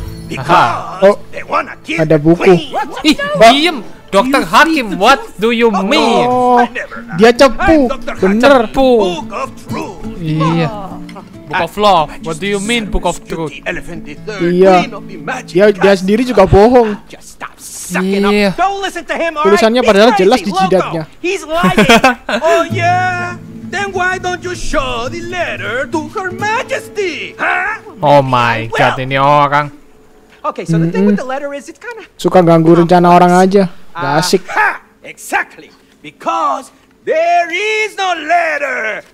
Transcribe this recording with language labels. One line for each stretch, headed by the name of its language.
English: Because they wanna kill.
Indonesian: Ada buku.
English: Diem, Dr. Hakim. What do you mean?
Indonesian: Dia cepu, bener. Cepu. Iya. Book of Law.
English: What do you mean, Book of Truth?
Indonesian: Iya. Dia sendiri juga bohong. Iya. Tulisannya padahal jelas di jidatnya.
English: Oh yeah. Then why don't you show the letter to Her Majesty? Huh? Oh my god,
Indonesian: ini orang.
English: Okay, so the thing with the letter is it's kinda
Indonesian: suka ganggu rencana orang aja. Gak asik.
English: Exactly. Because there is no letter.